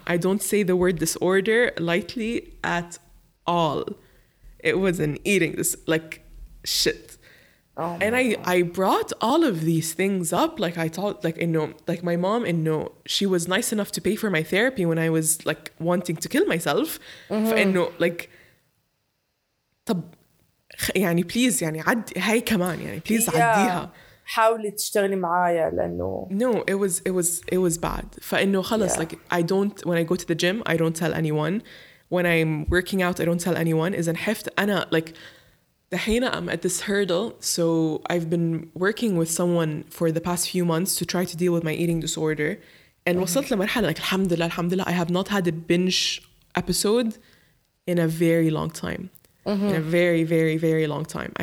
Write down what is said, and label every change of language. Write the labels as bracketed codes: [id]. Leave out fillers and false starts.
[en] I don't say the word disorder lightly at all. It was an eating this like shit. Oh and I brought all of these things up. Like I thought, like, you know, like my mom, you know, she was nice enough to pay for my therapy when I was like wanting to kill myself. Mm-hmm. [ar] And no, like, طب يعني بليز يعني عد هاي كمان يعني بليز عديها حاولي تشتغلي معايا لأنه [en] no it was bad [ar] فإنه خلص [en] yeah. like I don't when I go to the gym I don't tell anyone when I'm working out I don't tell anyone [ar] إذا نحفت أنا [en] like [ar] دحين [en] I'm at this hurdle so I've been working with someone for the past few months to try to deal with my eating disorder and [ar] وصلت لمرحلة [en] like [ar] الحمد لله [en] I have not had a binge episode in a very long time in a very, very, very long time.